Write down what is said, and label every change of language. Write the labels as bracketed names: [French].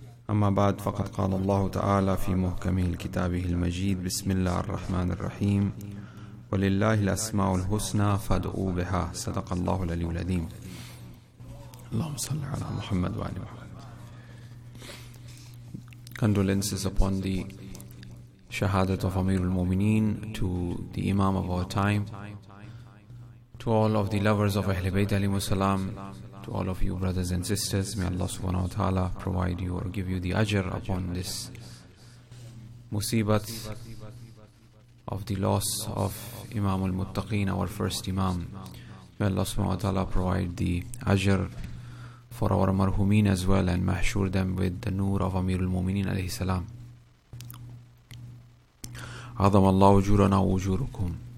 [Arabic] أما بعد، فقد قال الله تعالى في محكم كتابه المجيد: بسم الله الرحمن الرحيم، ولله الأسماء الحسنى فادعوا بها، صدق الله العلي العظيم. اللهم صل على محمد وآل محمد. [English] Condolences upon the shahadat of Amir al-Mu'mineen, to the Imam of our time, to all of the lovers of Ahl Bayt alayhi salam, to all of you brothers and sisters. May Allah subhanahu wa ta'ala provide you or give you the ajr upon this musibat of the loss of Imam al-Muttaqeen, our first Imam. May Allah subhanahu wa ta'ala provide the ajr for our marhumin as well, and mahshur them with the noor of Amir al-Mu'mineen alayhi salam. [Arabic] عظم الله أجورنا وأجوركم.